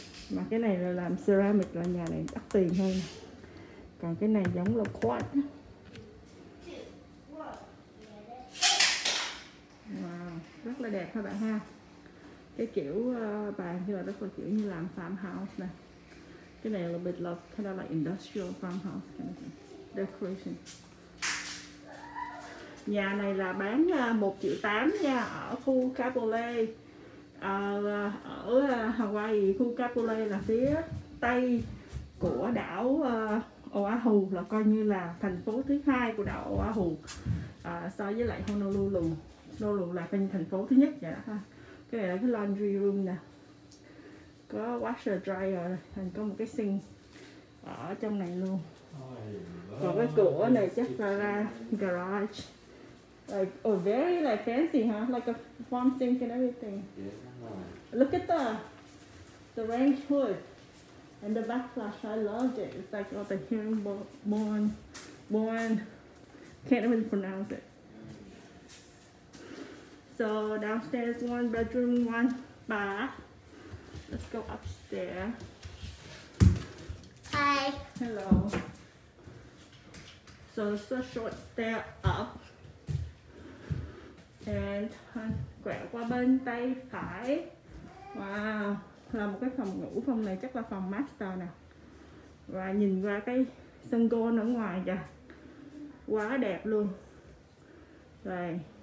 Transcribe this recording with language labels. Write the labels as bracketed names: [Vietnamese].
[Vietnamese] Mà cái này là làm ceramic là nhà này đắt tiền hơn. Còn cái này giống là quartz. Wow, rất là đẹp các bạn ha. Cái kiểu bàn như là rất là kiểu như làm farmhouse nè. Cái này là [English] bit of kind of like industrial farmhouse kind of thing. Decoration. [Vietnamese] Nhà này là bán 1.8 triệu nha, ở khu Kapolei ở Hawaii. Khu Kapolei là phía tây của đảo Oahu, là coi như là thành phố thứ hai của đảo Oahu so với lại Honolulu. Honolulu là cái thành phố thứ nhất vậy đó ha. Cái này là cái laundry room nè, có washer dryer, thành có một cái sink ở trong này luôn. Còn cái cửa này chắc là ra garage. [English] Like, oh, very like fancy, huh? Like a farm sink and everything. Yeah. Look at the range hood and the backsplash. I loved it. It's like all the herringbone. Can't even pronounce it. So downstairs, one bedroom, one bath. Let's go upstairs. Hi. Hello. So this is a short stair up. [Vietnamese] And thân quẹo qua bên tay phải. Wow, là một cái phòng ngủ. Phòng này chắc là phòng master nè. Và nhìn qua cái sân golf ở ngoài kìa. Quá đẹp luôn. Rồi.